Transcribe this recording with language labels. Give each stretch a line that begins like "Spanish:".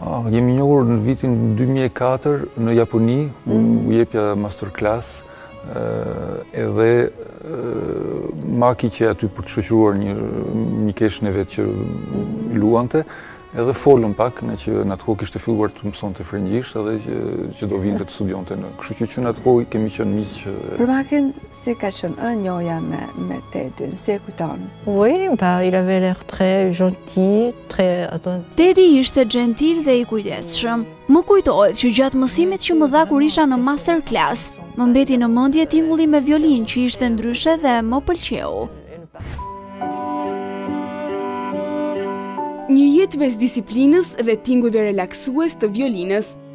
Albanian: Jemi njohur në vitin 2004 në Japoni, u jepja masterclass, edhe Maki që aty për të shoqëruar një keshën e vet që luante, edhe folëm pak, nga që në atë kohë kishte filluar të mëson të frëngjisht edhe që do vinte të studionte në. Kështu që në atë kohë kemi qenë miq. Që... Për Makin, si ka qenë ënë njoja me Tedin, si e kujton?
French: Oui, pa, il avait l'air très gentil, très attentif.
Albanian: Tedi ishte gentil dhe i kujdesshëm. Më kujtohet që gjatë mësimit që më dha kur isha në masterclass, më mbeti në mendje tingulli me violin që ishte ndryshe dhe më pëlqeu. Një jetë mes disiplinës dhe tingujve relaksues të violinës.